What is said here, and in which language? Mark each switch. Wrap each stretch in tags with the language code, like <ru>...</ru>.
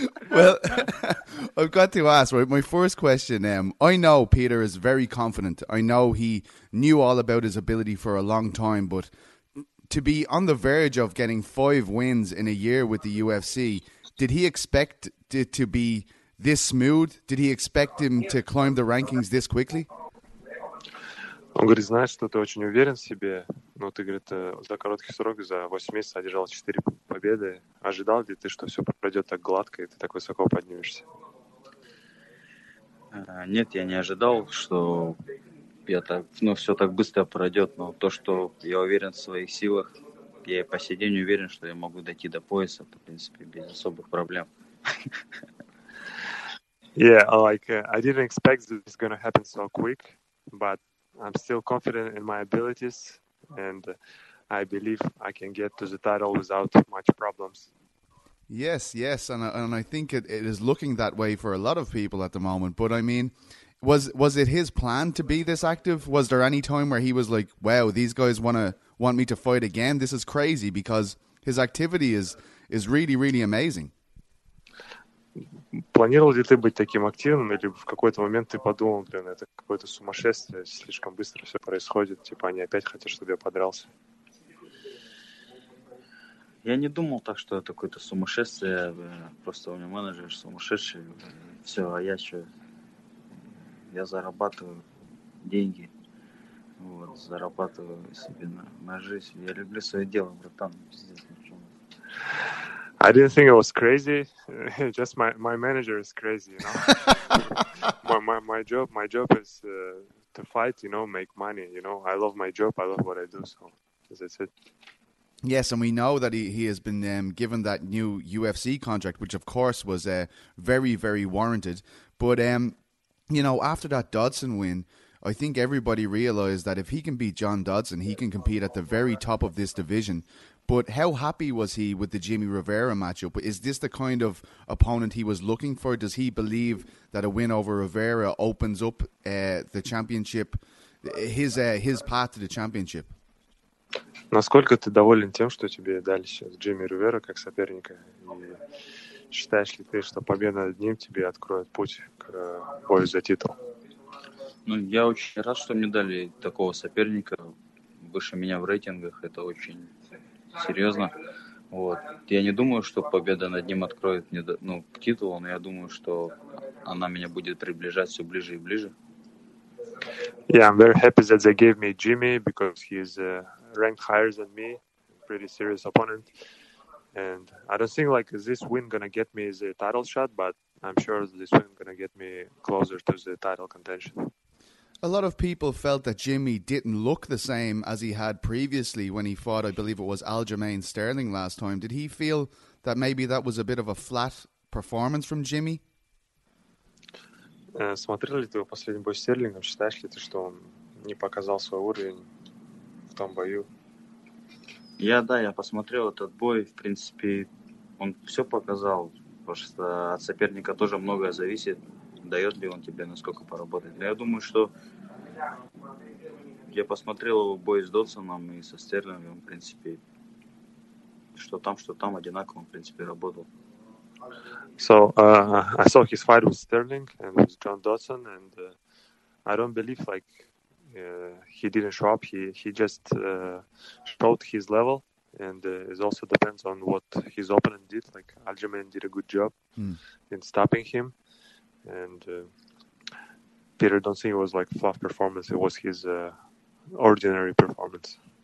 <en>Well, I've got to ask, right? My first question, I know Peter is very confident. I know he knew all about his ability for a long time, but to be on the verge of getting 5 wins in a year with the UFC, did he expect it to be this smooth? Did he expect him to climb the rankings this quickly?</en> <ru>Он говорит, знаешь, что ты очень уверен в себе, но ты, говорит, за короткий срок, за 8 месяцев одержал 4 победы. Ожидал ли ты, что все пройдет так гладко, и ты так высоко поднимешься? Нет, я не ожидал, что... Я так, ну, все так быстро пройдет, но то, что я уверен в своих силах, я и по сей день уверен, что я могу дойти до пояса, в принципе, без особых проблем.</ru> <en>Yeah, like I didn't expect this is going to happen so quick, but I'm still confident in my abilities, and I believe I can get to the title without much problems. Yes, yes, and I think it is looking that way for a lot of people at the moment. But I mean, was it his plan to be this active? Was there any time where he was like, "Wow, these guys want me to fight again? This is crazy," because his activity is really, really amazing.</en> <ru>Планировал ли ты быть таким активным, или в какой-то момент ты подумал, блин, это какое-то сумасшествие, слишком быстро все происходит, типа они опять хотят, чтобы я подрался? Я не думал так, что это какое-то сумасшествие, просто у меня менеджер сумасшедший, все, а я что? Я зарабатываю деньги, вот, зарабатываю себе на жизнь, я люблю свое дело, братан, пиздец, ничего.</ru> <en>I didn't think it was crazy. Just my manager is crazy, you know. my job is to fight, you know, make money, you know. I love my job. I love what I do. So that's it. Yes, and we know that he has been given that new UFC contract, which of course was very, very warranted. But you know, after that Dodson win, I think everybody realized that if he can beat John Dodson, he can compete at the very top of this division. But how happy was he with the Jimmy Rivera matchup? Is this the kind of opponent he was looking for? Does he believe that a win over Rivera opens up the championship, his path to the championship?</en> <ru>Насколько ты доволен тем, что тебе дали сейчас Джимми Ривера как соперника? Считаешь ли ты, что победа над ним тебе откроет путь к бою за титул? Ну, я очень рад, что мне дали такого соперника выше меня в рейтингах. Это очень серьезно. Вот. Я не думаю, что победа над ним откроет мне к титулу, но я думаю, что она меня будет приближать все ближе и ближе.</ru> <en>Yeah, I'm very happy that they gave me Jimmy because he's ranked higher than me, pretty serious opponent. And I don't think like this win gonna get me the title shot, but I'm sure this win gonna get me closer to the title contention. A lot of people felt that Jimmy didn't look the same as he had previously when he fought, I believe it was Aljamain Sterling last time. Did he feel that maybe that was a bit of a flat performance from Jimmy?</en> <ru>Смотрел ли ты его последний бой с Стерлингом? Считаешь ли ты, что он не показал свой уровень в том бою? Я посмотрел этот бой. В принципе, он все показал. Потому что от соперника тоже многое зависит. Дает ли он тебе, насколько поработать. Я думаю, что я посмотрел его бой с Додсоном и со Стерлингом, в принципе, что там одинаково, в принципе, работал.</ru> <en>So, I saw his fight with Sterling and with John Dodson, and I don't believe, like, he didn't show up. He just showed his level, and it also depends on what his opponent did. Like, Aljamain did a good job in stopping him. And Peter Dunsing was like fluff performance. It was his ordinary performance.</en>